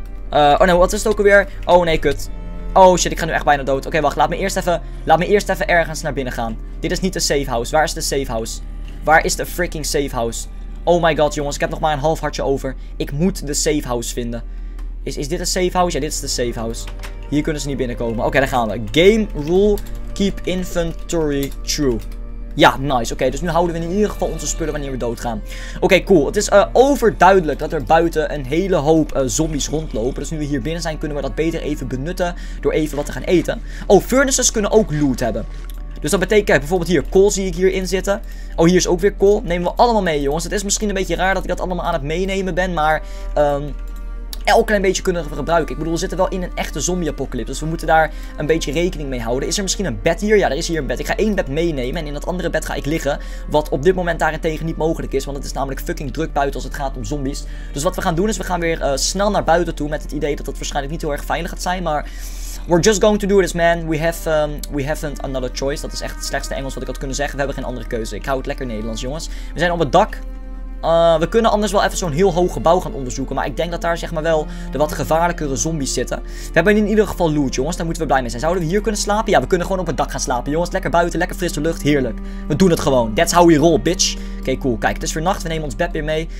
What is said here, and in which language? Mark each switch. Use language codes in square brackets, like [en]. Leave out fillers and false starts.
[nl] Oh nee, wat is het ook alweer? Oh nee, kut. Oh shit, ik ga nu echt bijna dood. Oké, wacht, laat me eerst even ergens naar binnen gaan. Dit is niet de safe house. Waar is de safe house? Waar is de freaking safe house? [en] Oh my god, [nl] jongens, ik heb nog maar een half hartje over. Ik moet de safe house vinden. Is dit een safe house? Ja, dit is de safe house. Hier kunnen ze niet binnenkomen. Oké, daar gaan we. [en] Game rule, keep inventory true. [nl] Ja, nice. Oké, dus nu houden we in ieder geval onze spullen wanneer we doodgaan. Oké, cool. Het is overduidelijk dat er buiten een hele hoop zombies rondlopen. Dus nu we hier binnen zijn, kunnen we dat beter even benutten door even wat te gaan eten. Oh, furnaces kunnen ook loot hebben. Dus dat betekent, kijk, bijvoorbeeld hier, kool zie ik hierin zitten. Oh, hier is ook weer kool. Neem we allemaal mee, jongens. Het is misschien een beetje raar dat ik dat allemaal aan het meenemen ben, maar elk klein beetje kunnen gebruiken. Ik bedoel, we zitten wel in een echte zombie-apocalypse. Dus we moeten daar een beetje rekening mee houden. Is er misschien een bed hier? Ja, er is hier een bed. Ik ga één bed meenemen en in dat andere bed ga ik liggen. Wat op dit moment daarentegen niet mogelijk is. Want het is namelijk fucking druk buiten als het gaat om zombies. Dus wat we gaan doen is, we gaan weer snel naar buiten toe. Met het idee dat dat waarschijnlijk niet heel erg veilig gaat zijn. [en] Maar we're just going to do this, man. We haven't another choice. [nl] Dat is echt het slechtste Engels wat ik had kunnen zeggen. We hebben geen andere keuze. Ik hou het lekker Nederlands, jongens. We zijn op het dak. We kunnen anders wel even zo'n heel hoog gebouw gaan onderzoeken. Maar ik denk dat daar zeg maar wel de wat gevaarlijkere zombies zitten. We hebben in ieder geval loot, jongens. Daar moeten we blij mee zijn. Zouden we hier kunnen slapen? Ja, we kunnen gewoon op het dak gaan slapen, jongens. Lekker buiten, lekker frisse lucht. Heerlijk. We doen het gewoon. [en] That's how we roll, bitch. [nl] Oké, cool. Kijk, het is weer nacht. We nemen ons bed weer mee.